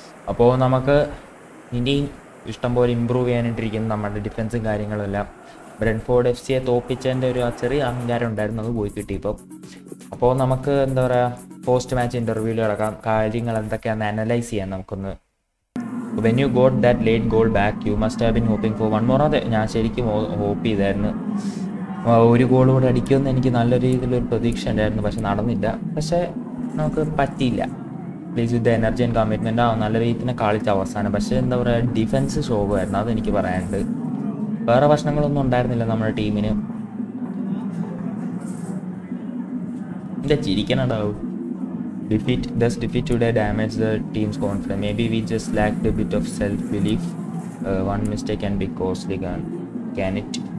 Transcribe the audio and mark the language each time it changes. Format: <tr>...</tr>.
<ml>അപ്പോൾ നമുക്ക് ഇനിയും ഇഷ്ടംപോലെ ഇമ്പ്രൂവ് ചെയ്യാനിട്ടിരിക്കുന്നു നമ്മുടെ ഡിഫൻസും കാര്യങ്ങളെല്ലാം. ബ്രെൻഫോർഡ് എഫ് സിയെ തോപ്പിച്ചതിൻ്റെ ഒരു ചെറിയ അംഗാരം ഉണ്ടായിരുന്നു, അത് പോയി കിട്ടി. അപ്പോൾ നമുക്ക് എന്താ പറയുക, പോസ്റ്റ് മാച്ച് ഇൻ്റർവ്യൂവിൽ കിടക്കാം, കാര്യങ്ങൾ എന്തൊക്കെയാണ് അനലൈസ് ചെയ്യാൻ നമുക്കൊന്ന്.</ml> <en>When you got that late goal back, you must have been hoping for one more.</en> <ml>ഞാൻ ശരിക്കും ഹോപ്പ് ചെയ്തായിരുന്നു ഒരു ഗോൾ കൂടെ അടിക്കുമെന്ന്, എനിക്ക് നല്ല രീതിയിലൊരു പ്രതീക്ഷ ഉണ്ടായിരുന്നു, പക്ഷെ നടന്നില്ല. പക്ഷേ നമുക്ക് പറ്റിയില്ല.</ml> <en>please with energy and commitment</en> <ml>ആ നല്ല രീതിയിൽ തന്നെ കളിച്ച അവസാനം. പക്ഷേ എന്താ പറയുക, ഡിഫെൻസ് ശോഭമായിരുന്നു, അതെനിക്ക് പറയാനുണ്ട്. വേറെ പ്രശ്നങ്ങളൊന്നും ഉണ്ടായിരുന്നില്ല നമ്മുടെ ടീമിന്. എന്താ ചിരിക്കണുണ്ടാവും.</ml> <en>Defeat does defeat today damage the team's confidence? Maybe we just lacked a bit of self belief. One mistake can be costly, can it?</en>